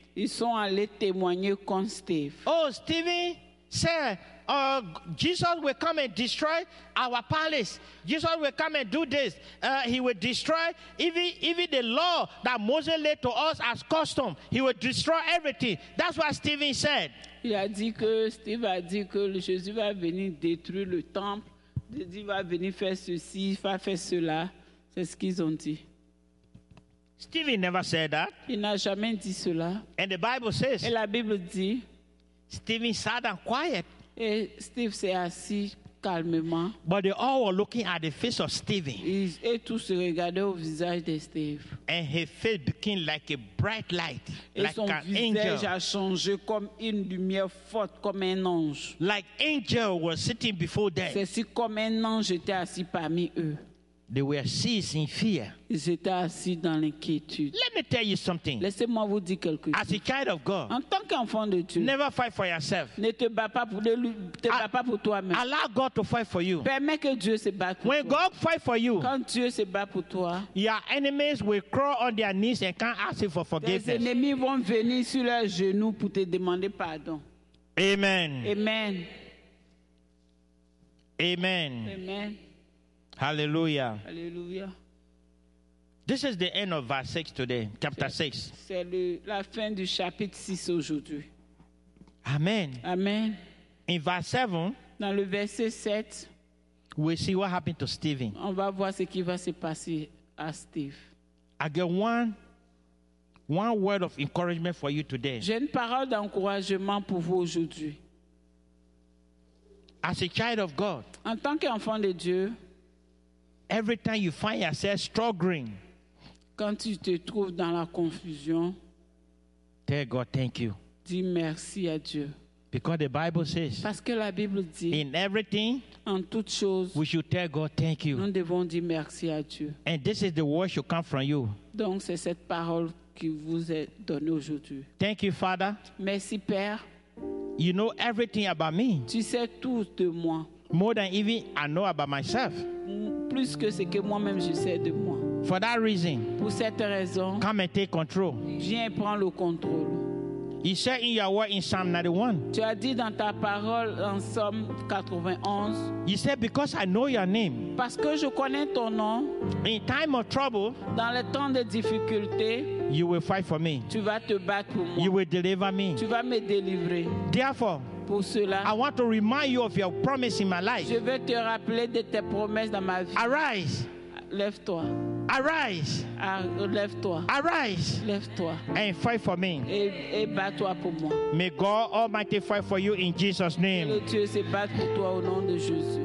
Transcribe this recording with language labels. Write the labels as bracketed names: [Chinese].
[French] Ils sont allés témoigner contre Steve. [English] Oh, Stephen, sir. Jesus will come and destroy our palace. Jesus will come and do this. He will destroy even the law that Moses laid to us as custom. He will destroy everything. That's what Stephen said. [French] Il a dit que Steve a dit que Jésus va venir détruire le temple. Il va venir faire ceci, il va faire cela. C'est ce qu'ils ont dit. [English] Stephen never said that. [French] Il n'a jamais dit cela. [English] And the Bible says. [French] Et la Bible dit. [English] Stephen sat and quiet. [French] Et Steve s'est assis calmement. [English] But they all were looking at the face of Stephen. [French] Et tous se regardaient au visage de Steve. [English] And his face became like a bright light, [French] et [English] like an angel. [French] Et son visage a changé comme une lumière forte, comme un ange. [English] Like angel was sitting before them. [French] C'est si comme un ange était assis parmi eux. [English] They were seized in fear. [French] Ils étaient assis dans l'inquiétude. [English] Let me tell you something. [French] Laissez-moi vous dire quelque chose. [English] As a child of God, [French] en tant qu'enfant de Dieu, [English] never fight for yourself. [French] Ne te bats pas pour toi-même. [English] Allow God to fight for you. [French] Permets que Dieu se batte pour [English] when [French] toi. [English] God fight for you, [French] quand Dieu se bat pour toi, [English] your enemies will crawl on their knees and can't ask you for forgiveness. [French] Tes ennemis vont venir sur leurs genoux pour te demander pardon. Amen. Amen. Amen. Amen. Hallelujah. Hallelujah. [English] This is the end of verse 6 today, chapter 6. [French] C'est la fin du chapitre 6 aujourd'hui. Amen. Amen. [English] In verse 7, [French] dans le verset 7, [English] we see what happened to Stephen. [French] On va voir ce qui va se passer à Steve. [English] I get one word of encouragement for you today. [French] J'ai une parole d'encouragement pour vous aujourd'hui. [English] As a child of God, [French] en tant qu'enfant de Dieu, [English] every time you find yourself struggling, [French] quand tu te trouves dans la confusion, [English] tell God thank you. [French] Dis merci à Dieu. [English] Because the Bible says, [French] parce que la Bible dit, [English] in everything, [French] en toute chose, [English] we should tell God thank you. [French] Nous devons dire merci à Dieu. [English] And this is the word should come from you. [French] Donc c'est cette parole qui vous est donnée aujourd'hui. [English] Thank you, Father. [French] Merci, Père. [English] You know everything about me. [French] Tu sais tout de moi. [English] More than even I know about myself. [French] Plus que ce que moi-même je sais de moi. [English] For that reason, [French] pour cette raison, [English] come and take control. [French] Viens prendre le contrôle. [English] He said in your word in Psalm 91. [French] Tu as dit dans ta parole en Psalm 91. [English] He said, because I know your name. [French] Parce que je connais ton nom. [English] In time of trouble, [French] dans le temps de difficulté, [English] you will fight for me. [French] Tu vas te battre pour moi. [English] You will deliver me. [French] Tu vas me délivrer. [English] Therefore, [French] pour cela, [English] I want to remind you of your promise in my life. [French] Je vais te rappeler de tes promesses dans ma vie. [English] Arise. [French] Lève-toi. [English] Arise. [French] Lève-toi. [English] Arise. [French] Lève-toi. [English] And fight for me. [French] Et bat-toi pour moi. [English] May God Almighty fight for you in Jesus' name. [French] Que le Dieu se batte pour toi au nom de Jésus.